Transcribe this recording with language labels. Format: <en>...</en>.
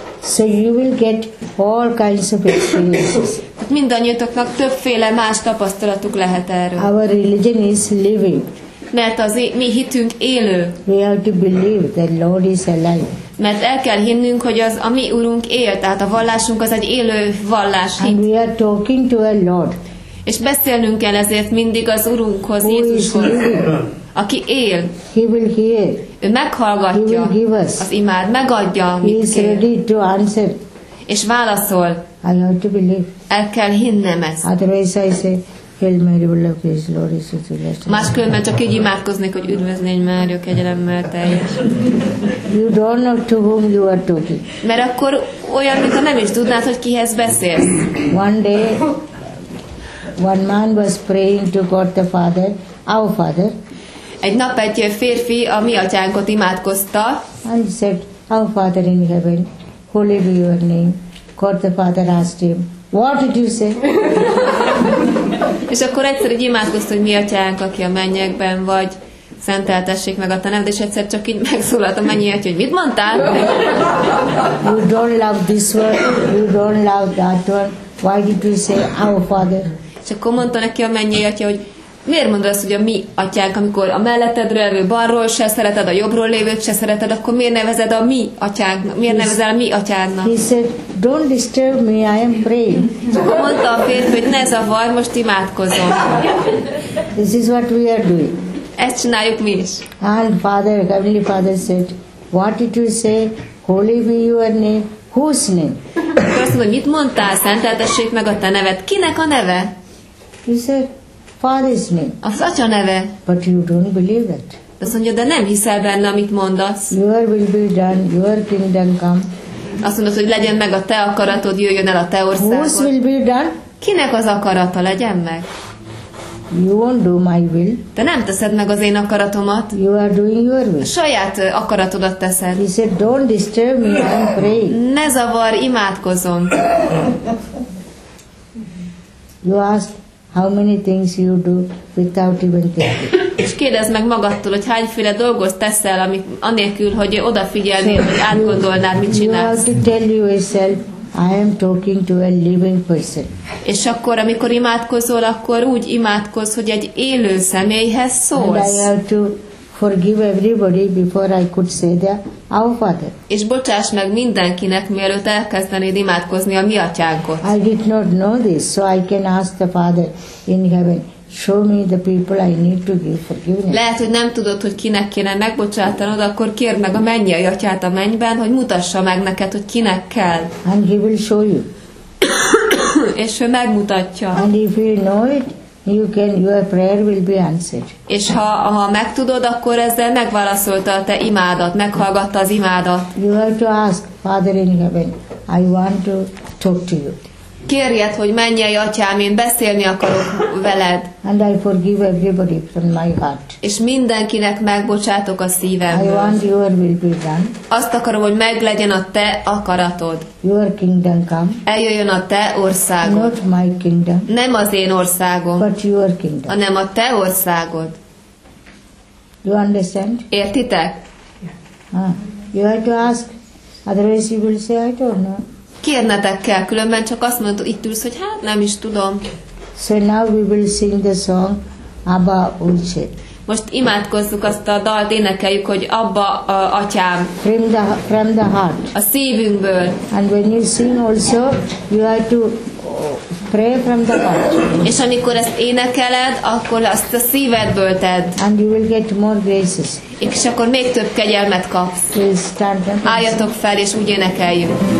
<en>So you will get all kinds of experiences.</en> <hu>Tehát mindannyiatoknak többféle más tapasztalatuk lehet erről.</hu> <en>Our religion is living.</en> <hu>Mert az mi hitünk élő.</hu> <en>We have to believe that Lord is alive.</en> <hu>Mert el kell hinnünk, hogy az a mi Urunk él, tehát a vallásunk az egy élő vallás hit.</hu> <en>And we are talking to a Lord.</en> <hu>És beszélnünk kell ezért mindig az Urunkhoz, Jézushoz, aki él.</hu> <en>He will hear.</en> <hu>Ő meghallgatja.</hu> <en>He will give us.</en> <hu>Az imád, megadja, amit</hu> <en>kér. He is ready to answer.</en> <hu>És válaszol.</hu> <en>I have to believe.</en> <hu>El kell hinnem ezt.</hu> <en>Otherwise I say, Hail Mary, full of grace, Lord is with thee.</en> <hu>Máskülönben csak így imádkoznék, hogy üdvözlégy, Mária, kegyelemmel teljes.</hu> <en>You don't know to whom you are talking.</en> <hu>Mert akkor olyan, mintha nem is tudnád, hogy kihez beszélsz.</hu> <en>One day, one man was praying to God the Father, our Father.</en> <hu>Egy nap egy férfi a mi atyánkot imádkozta.</hu> <en>And said, Our Father in heaven, holy be your name. God the Father asked him, What did you say?</en> <hu>És akkor egyszer így imádkozt, hogy mi atyánk, aki a mennyekben vagy, szenteltessék meg a te neved, és egyszer csak így megszólalt a mennyi atya, hogy mit mondtál?</hu> <en>You don't love this one, you don't love that one, why did you say our father?</en> <hu>És akkor mondta neki a mennyi atya, hogy miért mondod azt, hogy a mi atyánk, amikor a melletedről, a balról se szereted, a jobbról lévőt se szereted, akkor miért nevezed a mi atyánknak? Miért nevezel a mi atyádnak?</hu> <en>He said, don't disturb me, I am praying.</en> <hu>És akkor mondta a férfi, hogy ne zavar, most imádkozom.</hu> <en>This is what we are doing.</en> <hu>Ezt csináljuk mi is.</hu> <en>And Father, Heavenly Father said, what did you say? Holy be your name. Whose name?</en> <hu>Akkor azt mondta, hogy mit mondtál? Szenteltessék meg a te neved. Kinek a neve?</hu> <en>He said, Father's name.</en> <hu>Az atya neve.</hu> <en>But you don't believe that.</en> <hu>Azt mondja, de nem hiszel benne, amit mondasz.</hu> <en>Your will be done, your kingdom come.</en> <hu>Azt mondod, hogy legyen meg a te akaratod, jöjjön el a te országod.</hu> <en>Whose will be done?</en> <hu>Kinek az akarata legyen meg?</hu> <en>You won't do my will.</en> <hu>Te nem teszed meg az én akaratomat.</hu> <en>You are doing your will.</en> <hu>A saját akaratodat teszed.</hu> <en>He said, don't disturb me, I'm praying.</en> <hu>Ne zavar, imádkozom.</hu> <en>You ask, how many things you do without even thinking.</en> <hu>És kérdezd meg magadtól, hogy hányféle dolgot teszel, ami anélkül, hogy odafigyelnél, hogy átgondolnád, mit csinálsz.</hu> <en>You have to tell yourself, I am talking to a living person.</en> <hu>És akkor, amikor imádkozol, akkor úgy imádkoz, hogy egy élő személyhez szólsz.</hu> <en>And I have to forgive everybody before I could say that our father.</en> <hu>És bocsáss meg mindenkinek, mielőtt elkezdenéd imádkozni a mi atyánkot.</hu> <en>I did not know this, so I can ask the Father in heaven, show me the people I need to give forgiveness.</en> <hu>Lehet, hogy nem tudod, hogy kinek kéne megbocsátanod, akkor kérd meg a mennyei atyát a mennyben, hogy mutassa meg neked, hogy kinek kell.</hu> <en>And he will show you.</en> <hu>És ő megmutatja.</hu> <en>And if you know it, you can, your prayer will be answered.</en> <hu>És ha megtudod, akkor ezzel megválaszolta a te imádat, meghallgatta az imádat.</hu> <en>You have to ask, Father in heaven, I want to talk to you.</en> <hu>Kérjed, hogy mennyei atyám, én beszélni akarok veled.</hu> <en>And I forgive everybody from my heart.</en> <hu>És mindenkinek megbocsátok a szívemből.</hu> <en>I want your will be done.</en> <hu>Azt akarom, hogy meglegyen a te akaratod.</hu> <en>Your kingdom come.</en> <hu>Eljöjjön a te országod.</hu> <en>Not my kingdom.</en> <hu>Nem az én országom.</hu> <en>But your kingdom.</en> <hu>Hanem a te országod.</hu> <en>You understand?</en> <hu>Értitek?</hu> <en>You have to ask. Otherwise you will say, I don't know.</en> <hu>Kérnetek kell, különben csak azt mondod, hogy itt ülsz, hogy hát nem is tudom.</hu> <en>So now we will sing the song Abba Ulce.</en> <hu>Most imádkozzuk azt a dalt, énekeljük, hogy Abba a atyám.</hu> <en>From the heart.</en> <hu>A szívünkből.</hu> <en>And when you sing also, you have to pray from the heart.</en> <hu>És amikor ezt énekeled, akkor azt a szívedből tedd.</hu> <en>And you will get more graces.</en> <hu>És akkor még több kegyelmet kapsz.</hu> <en>Please stand up.</en> <hu>Álljatok fel, és úgy énekeljük.</hu>